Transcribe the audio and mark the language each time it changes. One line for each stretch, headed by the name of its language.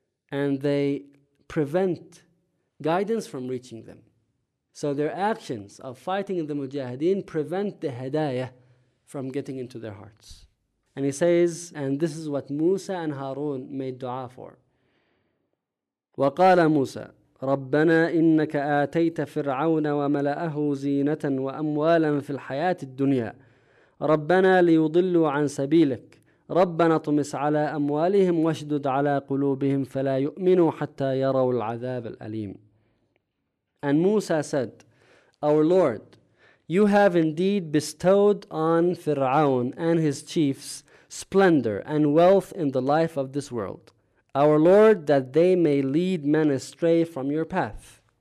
English: And they prevent guidance from reaching them. So their actions of fighting the mujahideen prevent the hidayah from getting into their hearts. And he says, and this is what Musa and Harun made dua for.
Arabic: وقال موسى ربنا إنك آتيت فرعون وملأه زينة وأموالا في الحياة الدنيا ربنا ليضلوا عن سبيلك ربنا طمس على أموالهم واشدد على قلوبهم فلا يؤمنوا حتى يروا العذاب الأليم.
English: And Musa said, our Lord, you have indeed bestowed on Fir'aun and his chiefs splendor and wealth in the life of this world. Our Lord, that they may lead men astray from your path.